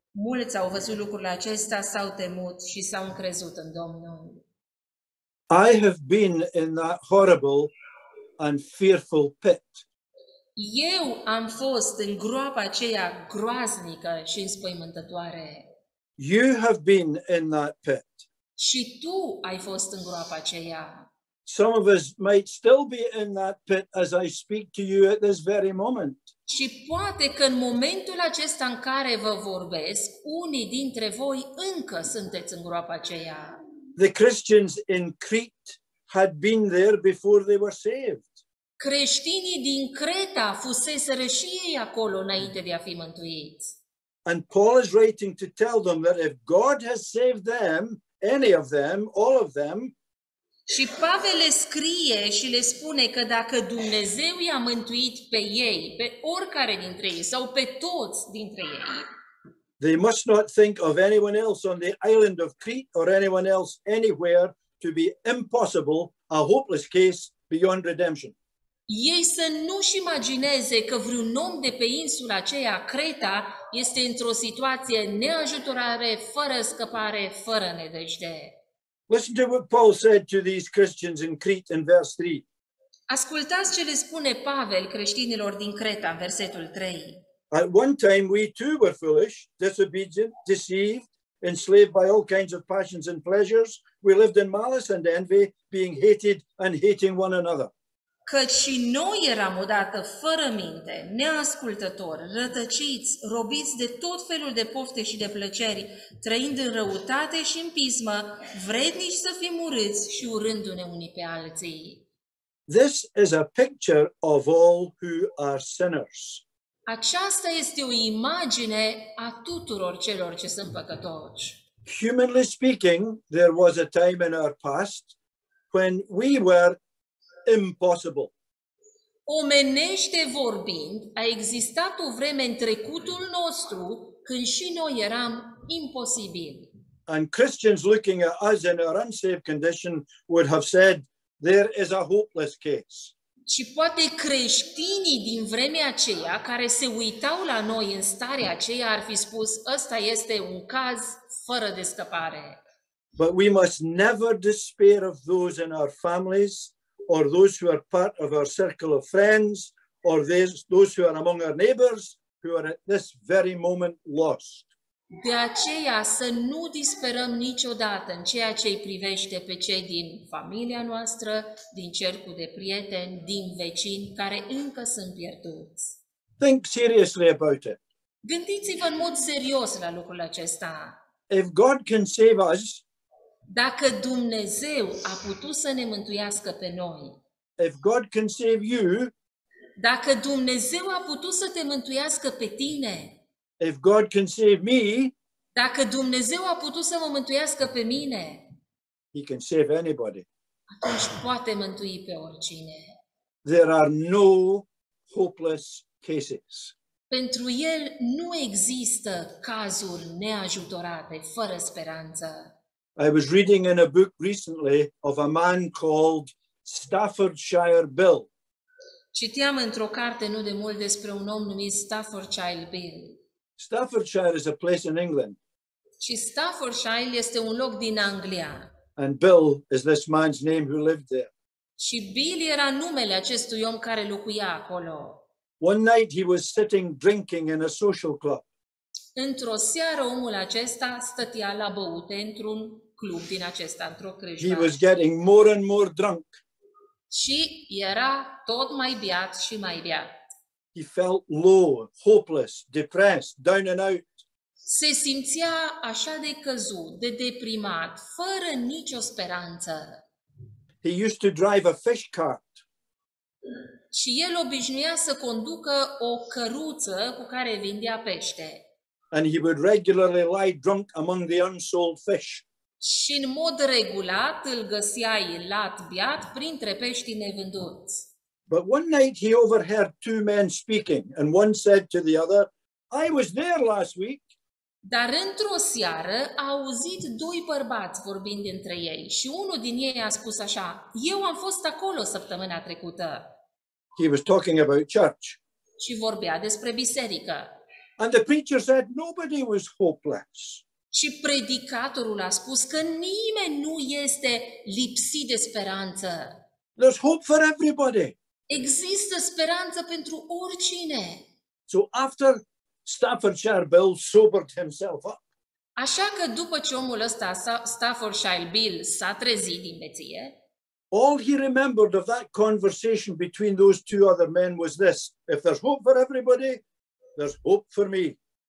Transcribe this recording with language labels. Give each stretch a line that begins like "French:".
Romanian: Mulți au văzut lucrurile acestea, s-au temut și s-au încrezut în Domnul.
English: I have been in that horrible and fearful pit.
Romanian: Eu am fost în groapa aceea groaznică și înspăimântătoare.
English: You have been in that pit.
Romanian: Și tu ai fost în groapa aceea.
English: Some of us might still be in that pit as I speak to you at this very moment.
Romanian: Și poate că în momentul acesta în care vă vorbesc, unii dintre voi încă sunteți în groapa aceea.
English: The Christians in Crete had been there before they were saved.
Romanian: Creștinii din Creta fuseseră și ei acolo înainte de a fi mântuiți.
English: And Paul is writing to tell them that if God has saved them, any of them, all of them,
Romanian: și Pavel le scrie și le spune că dacă Dumnezeu i-a mântuit pe ei, pe oricare dintre ei sau pe toți dintre ei,
English: they must not think of anyone else on the island of Crete or anyone else anywhere to be impossible, a hopeless case beyond redemption.
Romanian: Ei să nu-și imagineze că vreun om de pe insula aceea, Creta, este într-o situație neajutorare, fără scăpare, fără nădejde.
English: Listen to what Paul said to these Christians in Crete in verse 3.
Romanian: Ascultați ce le spune Pavel creștinilor din Creta în versetul 3.
English: At one time we too were foolish, disobedient, deceived, enslaved by all kinds of passions and pleasures. We lived in malice and envy, being hated and hating one another.
Romanian: Căci și noi eram odată fără minte, neascultători, rătăciți, robiți de tot felul de pofte și de plăceri, trăind în răutate și în pismă, vrednici să fim urâți și urându-ne unii pe alții.
English: This is a picture of all who are sinners.
Romanian: Aceasta este o imagine a tuturor celor ce sunt păcătoși.
English: Humanly speaking, there was a time in our past when we were impossible.
Romanian: Omenește vorbind, a existat o vreme în trecutul nostru când și noi eram imposibili.
English: And Christians looking at us in our unsaved condition would have said, there is a hopeless case.
Romanian: Și poate creștinii din vremea aceea care se uitau la noi în starea aceea ar fi spus, ăsta este un caz fără de scăpare.
English: But we must never despair of those in our families, or those who are part of our circle of friends, or those who are among our neighbors, who are at this very moment lost.
Romanian: De aceea să nu disperăm niciodată în ceea ce îi privește pe cei din familia noastră, din cercul de prieteni, din vecini care încă sunt pierduți.
English: Think seriously about it.
Romanian: Gândiți-vă în mod serios la lucrul acesta.
English: If God can save us,
Romanian: dacă Dumnezeu a putut să ne mântuiască pe noi,
English: if God can save you,
Romanian: dacă Dumnezeu a putut să te mântuiască pe tine,
English: if God can save me,
Romanian: dacă Dumnezeu a putut să mă mântuiască pe mine,
English: he can save anybody.
Romanian: Atunci poate mântui pe oricine.
English: there are no hopeless cases.
Romanian: Pentru el nu există cazuri neajutorate, fără speranță.
English: I was reading in a book recently of a man called Staffordshire Bill.
Romanian: Citeam într-o carte nu de mult despre un om numit Staffordshire Bill.
English: Staffordshire is a place in England.
Romanian: Și Staffordshire este un loc din Anglia.
English: And Bill is this man's name who lived there.
Romanian: Și Bill era numele acestui om care locuia acolo.
English: One night he was sitting drinking in a social club.
Romanian: Într-o seară omul acesta stătea la băute într-un club din acesta, într-o crejbă.
English: He was getting more and more drunk.
Romanian: Și era tot mai beat și mai beat.
English: He felt low, hopeless, depressed, down and out.
Romanian: Se simțea așa de căzut, de deprimat, fără nicio speranță.
English: He used to drive a fish cart.
Romanian: Și el obișnuia să conducă o căruță cu care vindea pește.
English: And he would regularly lie drunk among the unsold fish.
Romanian: Și în mod regulat îl găseai lat beat printre peștii nevânduți.
English: But one night he overheard two men speaking, and one said to the other, "I was there last week."
Romanian: Dar într-o seară a auzit doi bărbați vorbind între ei și unul din ei a spus așa, "Eu am fost acolo săptămâna trecută."
English: He was talking about church.
Romanian: Și vorbea despre biserică.
English: And the preacher said nobody was hopeless.
Romanian: Și predicatorul a spus că nimeni nu este lipsit de speranță.
English: There's hope for everybody.
Romanian: Există speranță pentru oricine.
English: So after Staffordshire Bill sobered himself up.
Romanian: Așa că după ce omul ăsta, Staffordshire Bill, s-a trezit din beție,
English: all he remembered of that conversation between those two other men was this: if there's hope for everybody, there's hope for me.